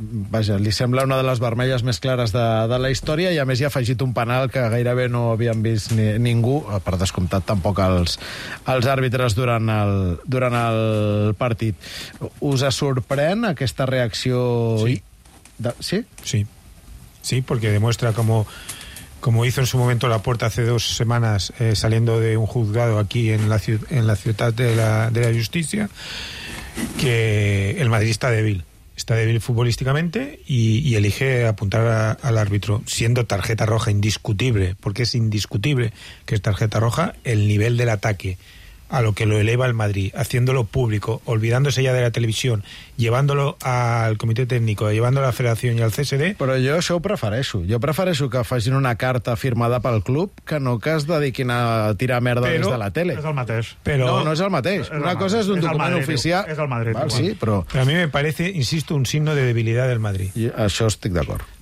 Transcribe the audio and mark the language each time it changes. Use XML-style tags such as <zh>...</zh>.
<ca>Vaja, li sembla una de les vermelles més clares de la història, i a més hi ha afegit un penal que gairebé no havíem vist ningú, per descomptat tampoc els àrbitres durant el partit. Us sorprèn aquesta reacció? Sí. Sí, perquè demostra</ca> <es>como hizo en su momento Laporta hace dos semanas, saliendo de un juzgado aquí en la ciudad de la justicia, que el Madrid está débil futbolísticamente y elige apuntar al árbitro, siendo tarjeta roja indiscutible, porque es indiscutible que es tarjeta roja, el nivel del ataque a lo que lo eleva el Madrid, haciéndolo público, olvidándose ya de la televisión, llevándolo al comité técnico, llevándolo a la federación y al CSD.</es> <ca>Però jo això ho prefereixo. Jo prefereixo que facin una carta firmada pel club que no que es dediquin a tirar merda des de la tele. És el mateix. Però no és el mateix. Una cosa és un document oficial. És el Madrid. Val, sí, però</ca> <es>a mi me parece, insisto, un signo de debilidad del Madrid.</es> <ca>I això estic d'acord.</ca>